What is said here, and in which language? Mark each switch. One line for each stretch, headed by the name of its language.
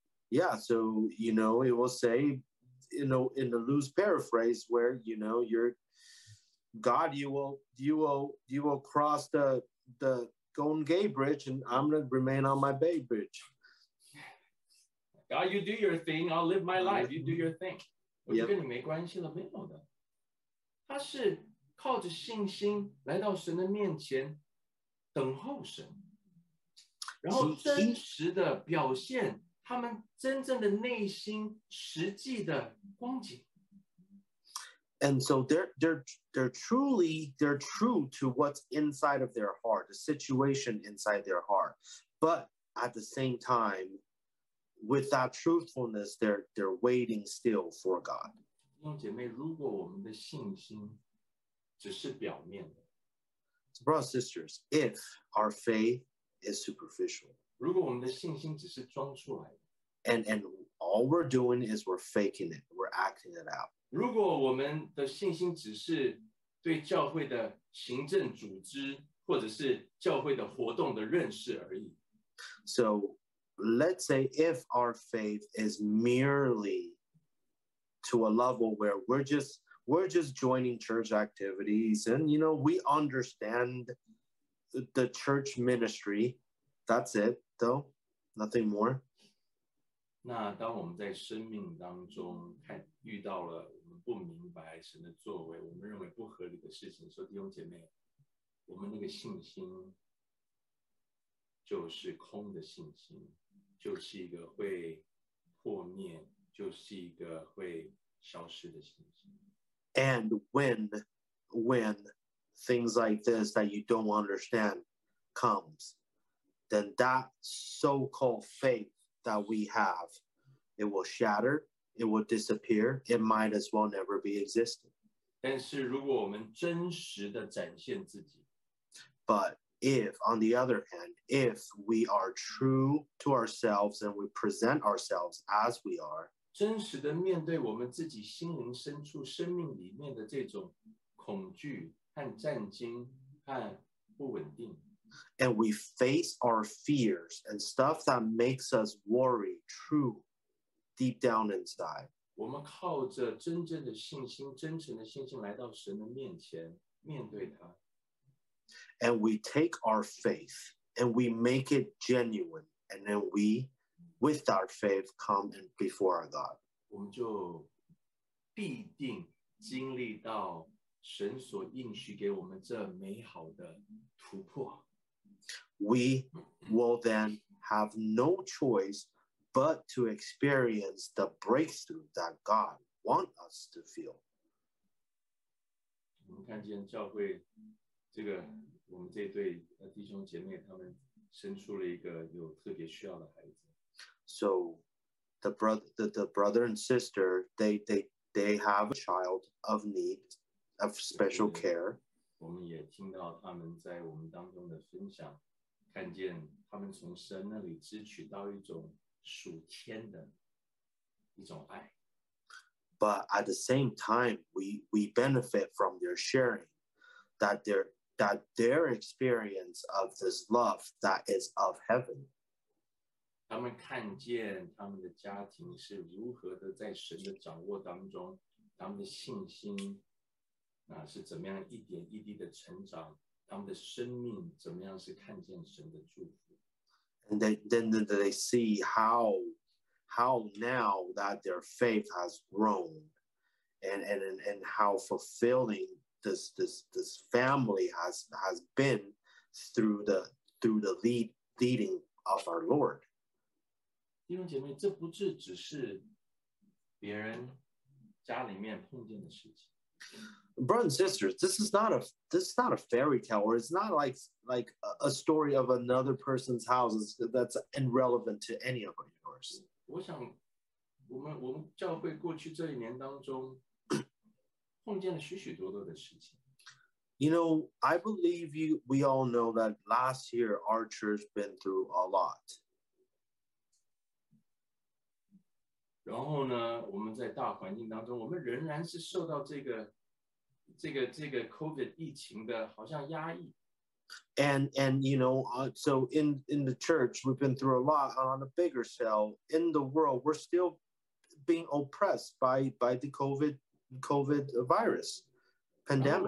English: Yeah, so, you know, it will say, you know, in the loose paraphrase where, you know, you're, God, you will cross the Golden Gate Bridge, and I'm going to remain on my Bay Bridge. God, you do your thing, I'll live my life, you do your thing.
Chinese: 我就跟你没关系了，没有的。他是靠着信心来到神的面前等候神，然后真实的表现他们真正的内心实际的光景。
English: And so they're true to what's inside of their heart, the situation inside their heart. But at the same time,with that truthfulness, they're waiting still for God.
Chinese: 弟兄姐妹，如果我们的信心只是表面的，
English: so, brothers and sisters, if our faith is superficial,
Chinese: 如果我们的信心只是装出来的，
English: and all we're doing is we're faking it, we're acting it out.
Chinese: 如果我们的信心只是对教会的行政组织或者是教会的活动的认识而已，
English: so,let's say if our faith is merely to a level where we're just joining church activities and, you know, we understand the church ministry. That's it, though. Nothing more.
Chinese: 那当我们在生命当中看遇到了我们不明白神的作为，我们认为不合理的事情，说弟兄姐妹，我们那个信心就是空的信心。就是一个会破灭，就是一个会消失的信心。
English: And when things like this that you don't understand comes, then that so-called faith that we have, it will shatter, it will disappear, it might as well never be existed.
Chinese: 但是如果我们真实的展现自己，
English: butIf, on the other hand, if we are true to ourselves and we present ourselves as we are,
Chinese: 真实地面对我们自己心灵深处生命里面的这种恐惧和战惊和不稳定，
English: and we face our fears and stuff that makes us worry true deep down inside,
Chinese: 我们靠着真正的信心，真诚的信心来到神的面前面对他。
English: And we take our faith and we make it genuine, and then we, with our faith, come in before our God.
Chinese: 我们就必定经历到神所应许给我们这美好的突破。
English: We will then have no choice but to experience the breakthrough that God wants us to feel.
Chinese: 我们看见教会这个我们这对弟兄姐妹他们生出了一个有特别需要的孩子。
English: So the brother and sister they have a child of need of special care.
Chinese: 我们也听到他们在我们当中的分享，看见他们从神那里支取到一种属天的一种爱。
English: But at the same time, we benefit from their sharing, that their experience of this love that is of heaven.
Chinese: 他们看见他们的家庭是如何的在神的掌握当中，他们的信心是怎么样一点一滴的成长，他们的生命怎么样是看见神的祝福。
English: And then they see how now that their faith has grown and how fulfilling this family has been through the leading of our Lord.
Chinese: 弟兄姐妹，这不是只是别人家里面碰见的事情。
English: Brothers and sisters, this is not a fairy tale, or it's not like a story of another person's house that's irrelevant to any of yours.
Chinese: 我想我们教会过去这一年当中碰见了许许多多的事情。
English: You know, I believe we all know that last year our church been through a lot.
Chinese: 然后呢，我们在大环境当中，我们仍然是受到这个 COVID 疫情的好像压抑。
English: And you know, so in the church, we've been through a lot on a bigger scale. In the world, we're still being oppressed by the COVID virus pandemic.